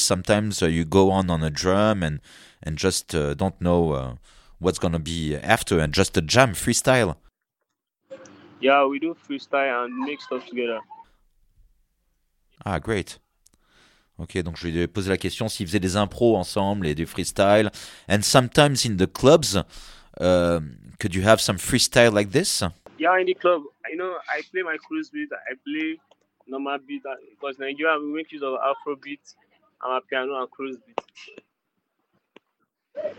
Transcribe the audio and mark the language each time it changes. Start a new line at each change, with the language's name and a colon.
English: Sometimes you go on a drum and just don't know what's gonna be after and just a jam freestyle. Yeah, we do freestyle and make stuff together. Ah, great.
French: Ok, donc je lui ai posé la question s'il faisait des impros ensemble et du freestyle.
English: And sometimes in the clubs, could you have some freestyle like this? Yeah, in the club, you know, I play my cruise beat, I play normal beat, because Nigeria, we make use of Afro beat, and my piano and cruise beat.